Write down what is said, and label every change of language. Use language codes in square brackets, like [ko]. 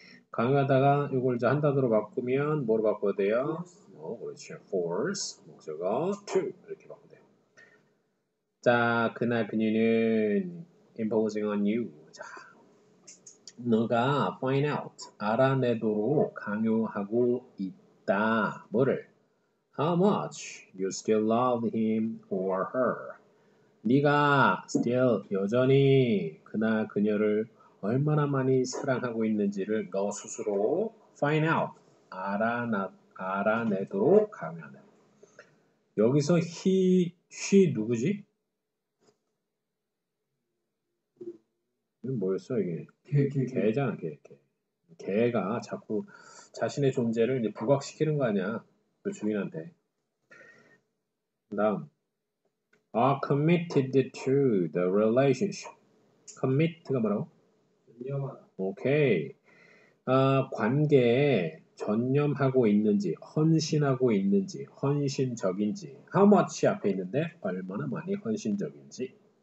[ko] 강요하다가 이걸 이제 한단어로 바꾸면 뭐로 바꿔야 돼요? 그렇죠. Force 목적어 to 이렇게 바꾸면 돼요. 자, 그날 그녀는 [en] imposing on you. [ko] 자, 너가 find out, 알아내도록 강요하고 있다. 뭐를? [en] How much you still love him or her? [ko] 네가 still, 여전히 그날 그녀를 얼마나 많이 사랑하고 있는지를 너 스스로 find out, 알아내도록 강요하네. 여기서 he 누구지? 뭐였어 이게? 개잖아. 개가 자꾸 자신의 존재를 이제 부각시키는 거 아니야, 그 주인한테. [en] 다음 are committed to the relationship. [ko] commit가 뭐라고? 오케이. 관계에 전념하고 있는지, 헌신하고 있는지, 헌신적인지. how much 앞에 있는데 얼마나 많이 헌신적인지.